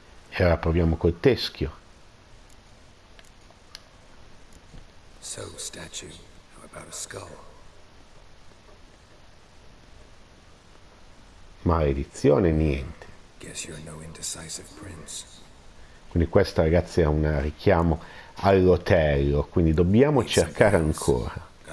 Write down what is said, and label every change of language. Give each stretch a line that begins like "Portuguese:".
Italian: E ora proviamo col teschio.
English: So, statue, how about a skull?
Italian: Maledizione, niente.
English: Guess you're no indecisive prince.
Italian: Quindi questa, ragazzi, è un richiamo all'Otello, quindi dobbiamo cercare ancora.